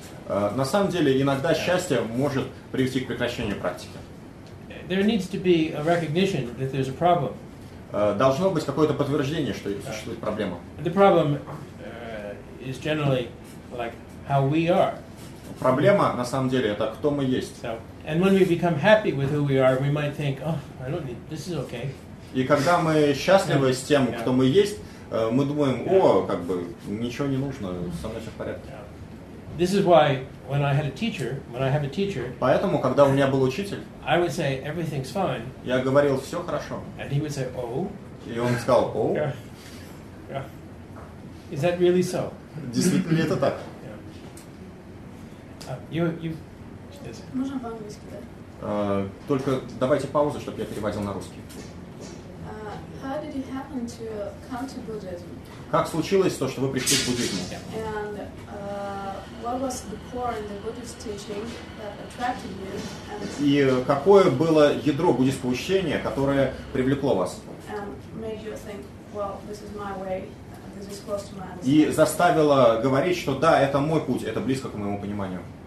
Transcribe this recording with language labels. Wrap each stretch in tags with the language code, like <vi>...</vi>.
<ru>На самом деле, иногда счастье может привести к прекращению практики.</ru> <en>There needs to be a recognition that there's a problem.</en> <ru>Должно быть какое-то подтверждение, что существует проблема.</ru> <en>The problem is generally like how we are.</en> <ru>Проблема на самом деле это кто мы есть.</ru> <en>So, and when we become happy with who we are, we might think, oh, I don't need this is okay.</en> <ru>И когда мы счастливы с тем, кто мы есть, мы думаем, о, как бы ничего не нужно, со мной все в порядке.</ru> <en>This is why when I had a teacher, when I have a teacher.</en> <ru>Поэтому когда у меня был учитель,</ru> <en>I would say everything's fine.</en> <ru>Я говорил всё хорошо.</ru> <en>And he would say, "Oh."</en> <ru>И он сказал: "О."</ru> <en>Oh. Yeah. Is that really so?</en> <ru>Действительно ли это так?</ru> <en>You</en> <ru>Можно по-английски, да? Только давайте паузу, чтобы я переводил на русский.</ru> <en>How did it happen to come to Buddhism?</en> <ru>Как случилось то, что вы пришли к буддизму?</ru> <en>And what was the core in the Buddhist teaching that attracted you?</en> <ru>И какое было ядро буддийского учения, которое привлекло вас?</ru> <en>And made you think, well, this is my way, this is close to my understanding.</en> <ru>И заставило говорить, что да, это мой путь, это близко к моему пониманию.</ru>